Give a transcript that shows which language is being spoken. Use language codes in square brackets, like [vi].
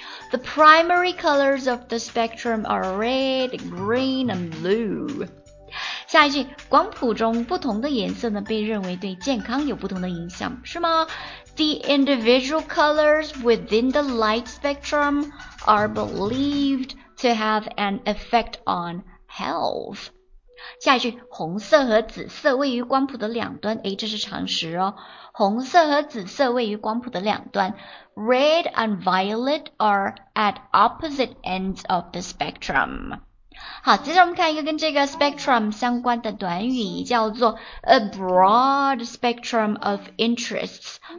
[en] The primary colors of the spectrum are red, green and blue。 [zh] 下一句，光谱中不同的颜色呢，被认为对健康有不同的影响，是吗？ [en] The individual colors within the light spectrum are believed to have an effect on health。 [zh] 下一句，红色和紫色位于光谱的两端，诶，这是常识哦。红色和紫色位于光谱的两端， [en] Red and violet are at opposite ends of the spectrum。 [zh] 好，接着我们看一个跟这个 spectrum 相关的短语，叫做 [en] a broad spectrum of interests。